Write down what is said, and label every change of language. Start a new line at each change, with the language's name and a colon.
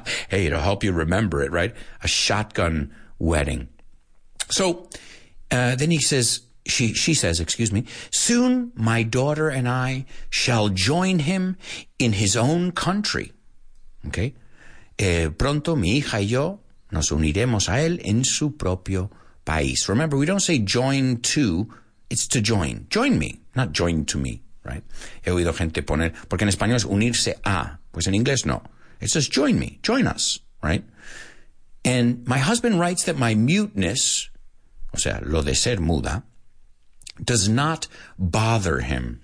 English: Hey, it'll help you remember it, right? A shotgun wedding. So, then he says, she says, excuse me, soon my daughter and I shall join him in his own country. Okay?
Spanish: Pronto mi hija y yo nos uniremos a él en su propio país.
English: Remember, we don't say join to, it's to join. Join me, not join to me, right?
Spanish: He oído gente poner, porque en español es unirse a. Pues en inglés, no.
English: It says, join me. Join us. Right? And my husband writes that my muteness,
Spanish: o sea, lo de ser muda,
English: does not bother him.